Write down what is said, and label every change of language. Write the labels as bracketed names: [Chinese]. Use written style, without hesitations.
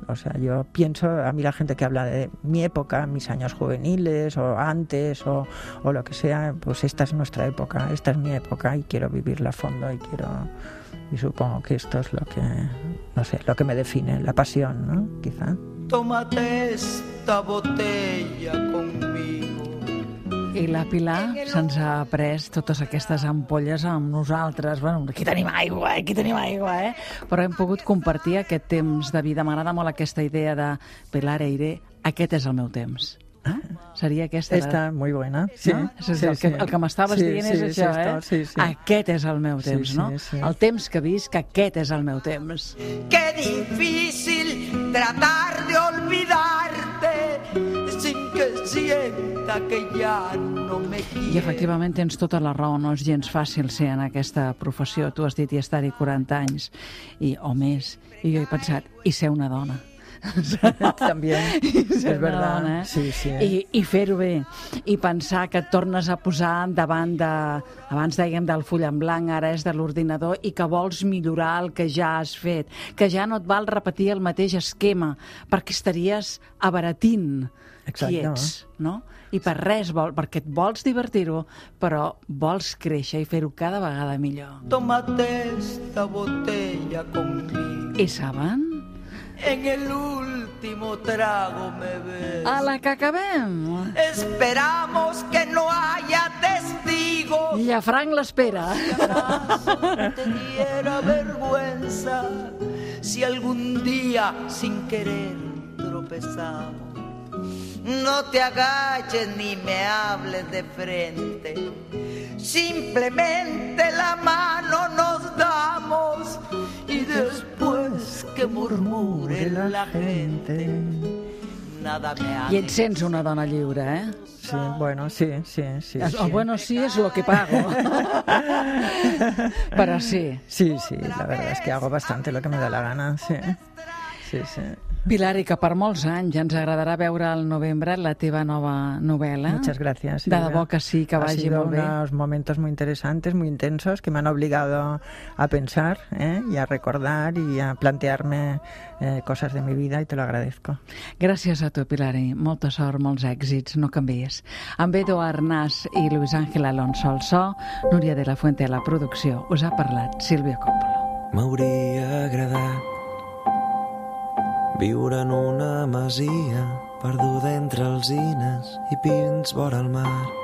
[Spanish] O sea, yo pienso, a mí la gente que habla de mi época, mis años juveniles o antes o lo que sea, pues esta es nuestra época, esta es mi época, y quiero vivirla a fondo, y supongo que esto es lo que, no sé, lo que me define, la pasión, ¿no? Quizá. Tómate esta botella conmigo. [Catalan] I la Pilar se'ns ha pres totes aquestes ampolles amb nosaltres. Bueno, aquí tenim aigua, Però hem pogut compartir aquest temps de vida. M'agrada molt aquesta idea de Pilar Eire, aquest és el meu temps. Seria aquesta. [Spanish] Esta, la... muy buena. [Catalan] Sí. No? Sí, sí, el que m'estaves dient és això, eh? Sí, sí. Aquest és el meu temps, no? El temps que visc, aquest és el meu temps. [Spanish] Qué difícil tratar de olvidarte sin que sienta que ya no me quiere. [Catalan] I efectivament tens tota la raó, no és gens fàcil ser en aquesta professió. Tu has dit i estar-hi 40 anys i, o més, i jo he pensat, i ser una dona. També, és veritat, eh? Sí, sí. I fer-ho bé i pensar que et tornes a posar davant de, abans dèiem del full en blanc, ara és de l'ordinador, i que vols millorar el que ja has fet, que ja no et val repetir el mateix esquema perquè estaries abaratint qui ets, no? I per res, vol, perquè et vols divertir-ho, però vols créixer i fer-ho cada vegada millor. [Spanish] Tómate esta botella conmigo. [Catalan] I saben? [Spanish] En el último trago me ves. [Catalan] A la que acabem. [Spanish] Esperamos que no haya testigos. [Catalan] Llafranc l'espera. [Spanish] Si acaso te diera vergüenza, si algún día sin querer tropezamos. No te agaches ni me hables de frente. Simplemente la mano nos damos y después que murmure la gente. Nada me ha. [Catalan] I et sents una dona lliure, eh? Sí, bueno, sí, sí, sí. [Spanish] O bueno, sí és lo que pago. [Catalan] Però sí. [Spanish] Sí, sí, la verdad es que hago bastante lo que me da la gana, sí. Sí, sí. [Catalan] Pilar, i que per molts anys ja ens agradarà veure al novembre la teva nova novel·la. [Spanish] Muchas gracias. [Catalan] De debò que sí, que vagi molt bé. [Spanish] Ha sido unos momentos muy interesantes, muy intensos, que me han obligado a pensar, y a recordar y a plantearme cosas de mi vida, y te lo agradezco. [Catalan] Gràcies a tu, Pilar, i molta sort, molts èxits, no canvies. Amb Edu Arnàs i Luis Ángel Alonso al so, Núria de la Fuente a la producció, us ha parlat Sílvia Coppola. M'hauria agradat viure en una masia perduda entre alzines i pins vora el mar.